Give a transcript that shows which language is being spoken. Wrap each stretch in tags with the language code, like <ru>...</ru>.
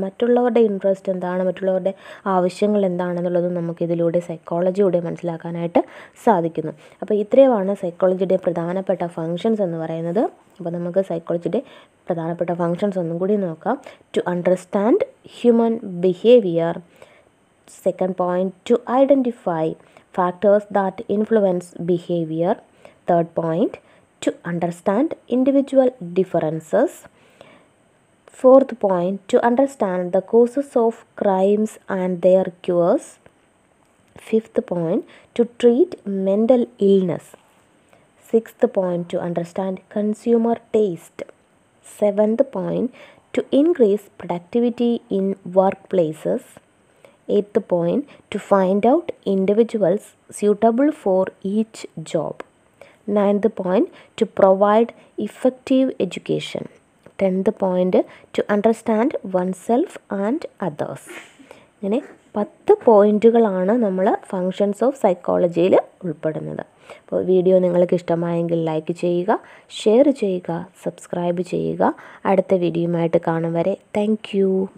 <ml>മറ്റുള്ളവരുടെ ഇൻട്രസ്റ്റ് എന്താണ്, മറ്റുള്ളവരുടെ ആവശ്യങ്ങൾ എന്താണെന്നുള്ളതും നമുക്കിതിലൂടെ സൈക്കോളജിയിലൂടെ മനസ്സിലാക്കാനായിട്ട് സാധിക്കുന്നു. അപ്പോൾ ഇത്രയുമാണ് സൈക്കോളജിയുടെ പ്രധാനപ്പെട്ട ഫങ്ഷൻസ് എന്ന് പറയുന്നത്. അപ്പോൾ നമുക്ക് സൈക്കോളജിയുടെ പ്രധാനപ്പെട്ട ഫങ്ഷൻസ് ഒന്നും കൂടി നോക്കാം.</ml> <en>To understand human behaviour. Second point, to identify factors that influence behavior. Third point, to understand individual differences. Fourth point, to understand the causes of crimes and their cures. Fifth point, to treat mental illness. Sixth point, to understand consumer taste. Seventh point, to increase productivity in workplaces. Eighth point, to find out individuals suitable for each job. Ninth point, to provide effective education. Tenth point, to understand oneself and others.</en> <ml>ഇങ്ങനെ 10 പോയിൻറ്റുകളാണ് നമ്മൾ functions of സൈക്കോളജിയിൽ ഉൾപ്പെടുന്നത്. അപ്പോൾ video നിങ്ങൾക്ക് ഇഷ്ടമായെങ്കിൽ like ചെയ്യുക, share ചെയ്യുക, subscribe ചെയ്യുക. അടുത്ത വീഡിയോയുമായിട്ട് കാണും വരെ താങ്ക് യു.</ml>